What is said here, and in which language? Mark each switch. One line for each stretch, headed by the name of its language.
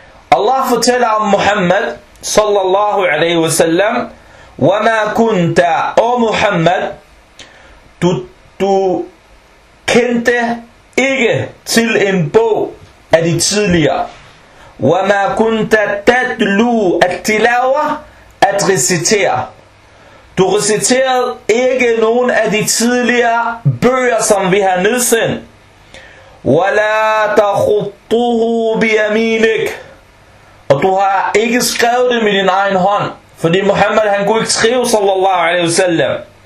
Danish: Allah fortæller om Muhammad sallallahu alaihi wasallam,
Arabic: وَمَا كُنْتَ,
Danish: O Muhammad, du kendte ikke til en bog af de tidligere.
Arabic: وَمَا كُنْتَ تَتْلُو التِّلَاوَة
Danish: at recitere. Du reciterede ikke nogen af de tidligere bøger, som vi har nedsendt.
Arabic: وَلَا تَخُطُّهُ بِيَمِينِكَ.
Danish: Og du har ikke skrevet det med din egen hånd, fordi Muhammad han kunne ikke skrive sallallahu alaihi wasallam.